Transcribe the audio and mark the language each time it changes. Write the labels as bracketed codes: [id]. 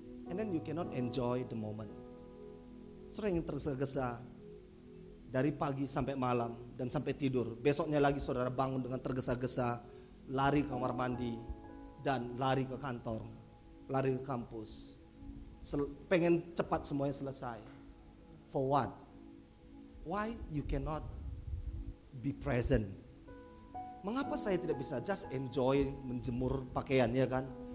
[en] And then you cannot enjoy the moment. [id] Saudara yang tergesa-gesa dari pagi sampai malam dan sampai tidur, besoknya lagi saudara bangun dengan tergesa-gesa, lari ke kamar mandi dan lari ke kantor, lari ke kampus, pengen cepat semuanya selesai. [en] For what? Why you cannot be present? [id] Mengapa saya tidak bisa [en] just enjoy [id] menjemur pakaiannya kan?